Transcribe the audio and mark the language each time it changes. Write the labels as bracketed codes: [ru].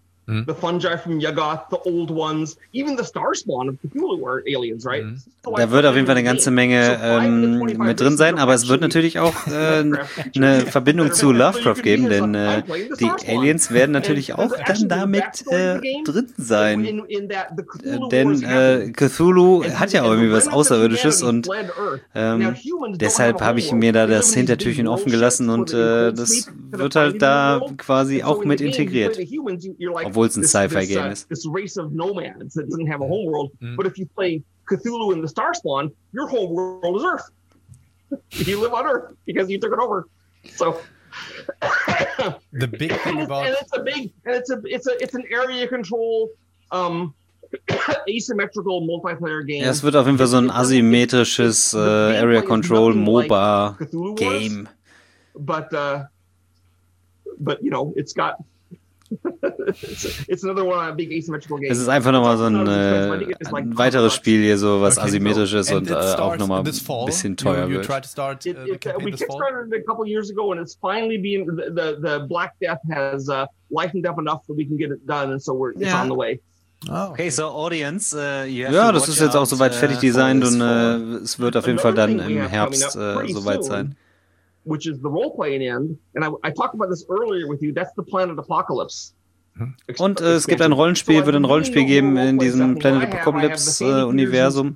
[en] The fungi from Yagoth, the old ones, even the Starspawn of Cthulhu are aliens, right? Mm. [de] Da wird auf jeden Fall eine ganze Menge mit drin sein, aber es wird natürlich auch eine Verbindung zu Lovecraft geben, denn die Aliens werden natürlich auch dann damit drin sein. Denn Cthulhu hat ja auch irgendwie was Außerirdisches und deshalb habe ich mir da das Hintertürchen offen gelassen und das wird halt da quasi auch mit integriert. Obwohl es ein Sci-Fi-Game ist. [en] This race of nomads that doesn't have a home world, but if you play Cthulhu in the Starspawn, your whole world is Earth. You live on Earth because you took it over. So the big thing about it's an area control asymmetrical multiplayer game. [de] Ja, es wird auf jeden Fall so ein asymmetrisches Area Control MOBA game. [en] But you know, it's got it's another one of big asymmetrical games. [de] Es ist einfach nochmal so ein weiteres Spiel hier, so was asymmetrisch ist und auch nochmal ein bisschen teuer wird. [en] We kickstarted a couple years ago and it's finally been the Black Death has lightened up enough that we can get it done and so it's on the way. Oh, okay, so audience, [de] das ist jetzt auch soweit fertig designed und es wird auf jeden Fall dann im Herbst soweit sein. [en] Which is the role-playing end, and I talked about this earlier with you, that's the Planet Apocalypse. [de] Und es gibt ein Rollenspiel, wird ein Rollenspiel geben in diesem Planet Apocalypse-Universum.